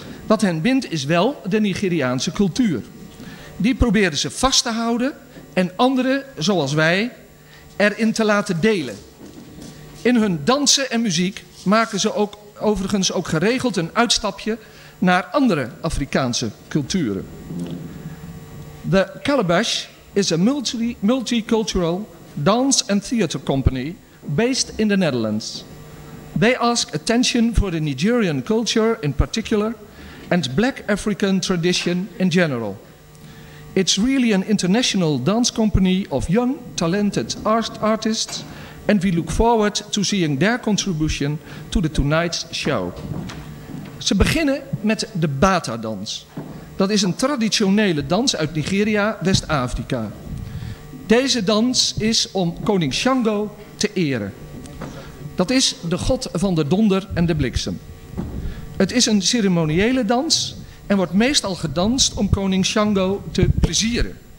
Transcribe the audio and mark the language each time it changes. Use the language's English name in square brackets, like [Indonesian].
[Dutch] Wat hen bindt is wel de Nigeriaanse cultuur. Die proberen ze vast te houden en anderen, zoals wij, erin te laten delen. In hun dansen en muziek maken ze ook, overigens ook geregeld een uitstapje naar andere Afrikaanse culturen. [English] De Kalabash is a multicultural dance and theater company based in the Netherlands. They ask attention for the Nigerian culture in particular and Black African tradition in general. It's really an international dance company of young, talented artists, and we look forward to seeing their contribution to the tonight's show. [Dutch] Ze beginnen met de Bata-dans. Dat is een traditionele dans uit Nigeria, West-Afrika. Deze dans is om koning Shango te eren. Dat is de god van de donder en de bliksem. Het is een ceremoniële dans en wordt meestal gedanst om koning Shango te plezieren.